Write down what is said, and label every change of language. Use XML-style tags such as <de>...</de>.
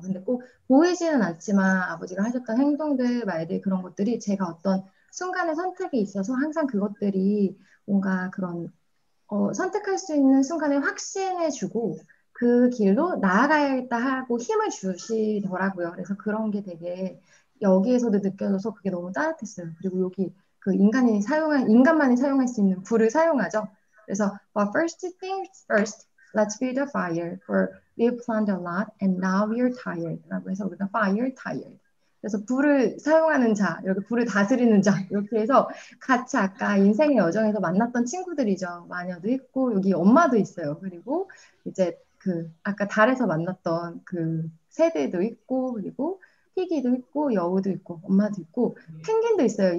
<ko>근데 꼭 보이지는 않지만 아버지가 하셨던 행동들, 말들, 그런 것들이 제가 어떤 순간의 선택에 있어서 항상 그것들이 뭔가 그런 선택할 수 있는 순간을 확신해주고 그 길로 나아가야겠다 하고 힘을 주시더라고요. 그래서 그런 게 되게 여기에서도 느껴져서 그게 너무 따뜻했어요. 그리고 여기 그 인간만이 사용할 수 있는 불을 사용하죠.</ko> <en>그래서 well, first things first, let's build a fire for we planned a lot and now we're tired.</en> <ko>라고 해서 우리가</ko> <en>fire tired.</en> <ko>그래서 불을 사용하는 자, 이렇게 불을 다스리는 자 이렇게 해서 같이 아까 인생의 여정에서 만났던 친구들이죠. 마녀도 있고 여기 엄마도 있어요. 그리고 이제 그 아까 달에서 만났던 그 새들도 있고 그리고 희귀도 있고 여우도 있고 엄마도 있고 펭귄도 있어요.</ko>